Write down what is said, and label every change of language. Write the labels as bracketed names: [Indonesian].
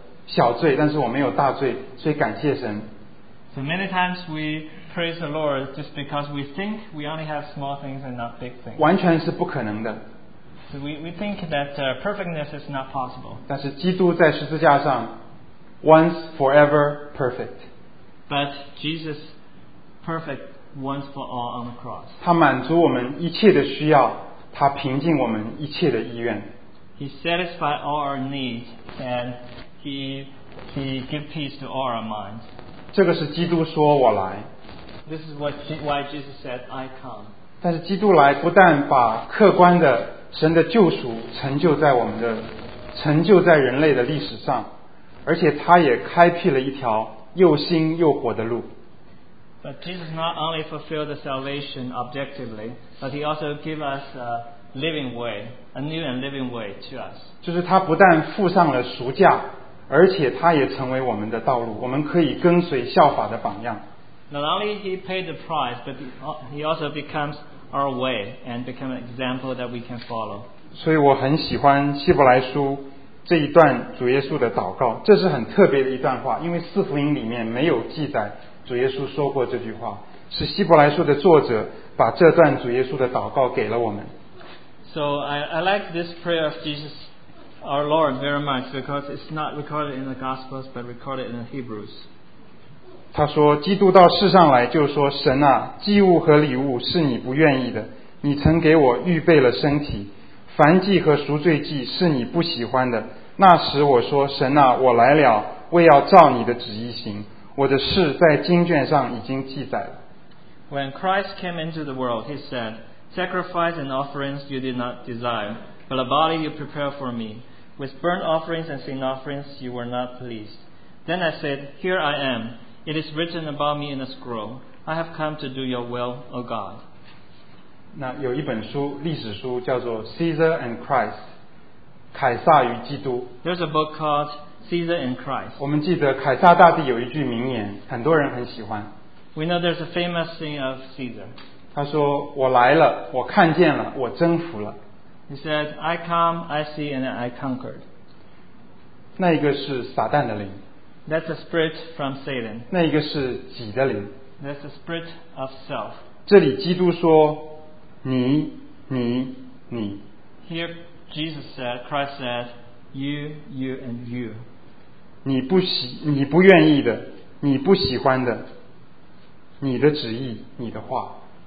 [Chinese] 很多时候我们觉得我身上有许许多多的小罪，但是我没有大罪，所以感谢神. [English] So many times we praise the Lord just because we think we only have small things and not big things. [Chinese] 完全是不可能的. [English] So we think that perfectness is not possible. [Chinese] 但是基督在十字架上, [English] once forever perfect. But Jesus perfect once for all on the cross. [Chinese] 他满足我们一切的需要，他平静我们一切的意愿。 [English] He satisfied all our needs and he gave peace to all our minds. [Chinese] 这个是基督说我来。 [English] This is why Jesus said I come. [Chinese] 但是基督来不但把客观的 神的救赎成就在我们的，成就在人类的历史上，而且他也开辟了一条又新又活的路。 [English] But Jesus not only fulfilled the salvation objectively, but He also gave us a living way, a new and living way to us. [Chinese] 就是他不但付上了赎价，而且他也成为我们的道路，我们可以跟随效法的榜样。 [English] Not only he paid the price, but he also becomes our way and become an example that we can follow. [Chinese] 所以我很喜欢希伯来书这一段主耶稣的祷告，这是很特别的一段话，因为四福音里面没有记载主耶稣说过这句话，是希伯来书的作者把这段主耶稣的祷告给了我们。 [English] So I like this prayer of Jesus, our Lord, very much because it's not recorded in the Gospels but recorded in the Hebrews. [Chinese] 他说：“基督到世上来，就说：神啊，祭物和礼物是你不愿意的，你曾给我预备了身体。” 燔祭和赎罪祭是你不喜欢的，那时我说，神啊，我来了，为要照你的旨意行，我的事在经卷上已经记载了。 [English] When Christ came into the world, he said, sacrifice and offerings you did not desire, but a body you prepared for me. With burnt offerings and sin offerings you were not pleased. Then I said, here I am, it is written about me in a scroll, I have come to do your will, O God. [Chinese] 那有一本书，历史书叫做 Caesar and Christ， 凯撒与基督。 [English] There's a book called Caesar and Christ。 [Chinese] 我们记得凯撒大帝有一句名言，很多人很喜欢。 [English] We know there's a famous thing of Caesar。 [Chinese] 他说：“我来了，我看见了，我征服了。 [English] ”He said, "I come, I see, and I conquered." [Chinese] 那一个是撒旦的灵。 [English] That's a spirit from Satan。 [Chinese] 那一个是己的灵。 [English] That's a spirit of self。 [Chinese] 这里基督说。你你你 [English] Here Jesus said, Christ said, you, you and you. [Chinese] 你不愿意的，你不喜欢的，你的旨意，你的话。